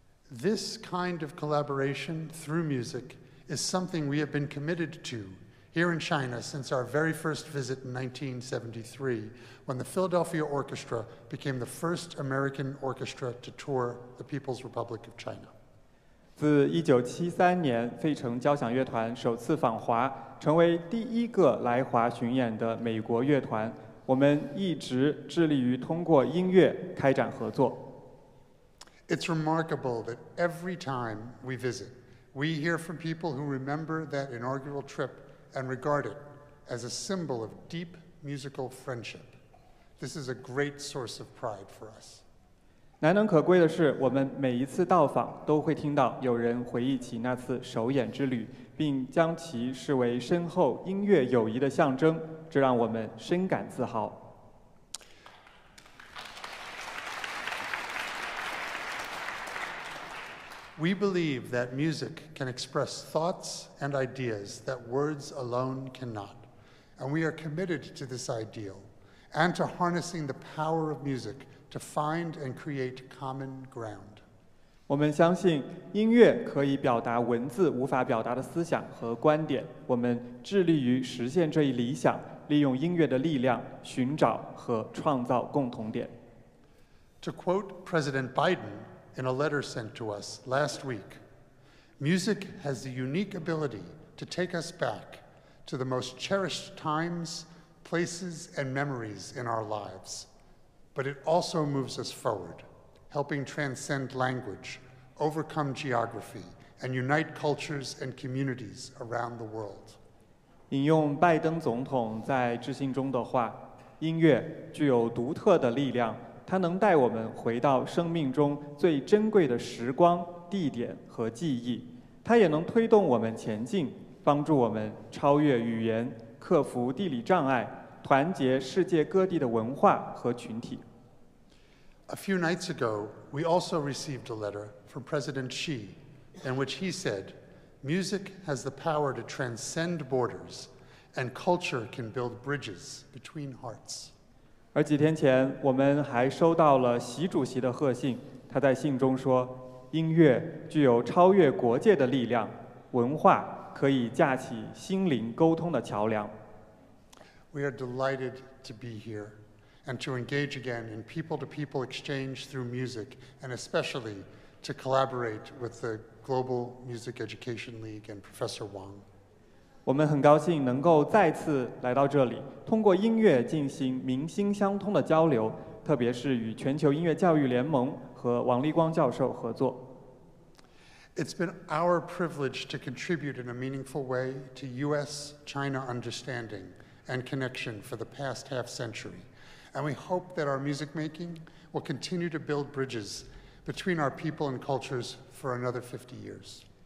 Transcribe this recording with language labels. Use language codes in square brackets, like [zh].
[en] This kind of collaboration through music. Is something we have been committed to here in China since our very first visit in 1973, when the Philadelphia Orchestra became the first American orchestra to tour the People's Republic of China. [zh] 自1973年费城交响乐团首次访华，成为第一个来华巡演的美国乐团，我们一直致力于通过音乐开展合作。 [en] It's remarkable that every time we visit, we hear from people who remember that inaugural trip and regard it as a symbol of deep musical friendship. This is a great source of pride for us. [zh] 难能可贵的是，我们每一次到访都会听到有人回忆起那次首演之旅，并将其视为深厚音乐友谊的象征，这让我们深感自豪。 [en] We believe that music can express thoughts and ideas that words alone cannot. And we are committed to this ideal and to harnessing the power of music to find and create common ground. [zh] 我们相信音乐可以表达文字无法表达的思想和观点。我们致力于实现这一理想，利用音乐的力量寻找和创造共同点。 [en] To quote President Biden,in a letter sent to us last week, music has the unique ability to take us back to the most cherished times, places, and memories in our lives. But it also moves us forward, helping transcend language, overcome geography, and unite cultures and communities around the world. [zh] 引用拜登总统在致信中的话，音乐具有独特的力量，它能带我们回到生命中最珍贵的时光、地点和记忆，它也能推动我们前进，帮助我们超越语言，克服地理障碍，团结世界各地的文化和群体。 [en] A few nights ago, we also received a letter from President Xi, in which he said, "Music has the power to transcend borders, and culture can build bridges between hearts." [zh] 而几天前，我们还收到了习主席的贺信，他在信中说，音乐具有超越国界的力量，文化可以架起心灵沟通的桥梁。 [en] We are delighted to be here and to engage again in people-to-people exchange through music and especially to collaborate with the Global Music Education League and Professor Wang. [zh] 我们很高兴能够再次来到这里，通过音乐进行民心相通的交流，特别是与全球音乐教育联盟和王立光教授合作。 [en] It's been our privilege to contribute in a meaningful way to US-China understanding and connection for the past half century. And we hope that our music making will continue to build bridges between our people and cultures for another 50 years.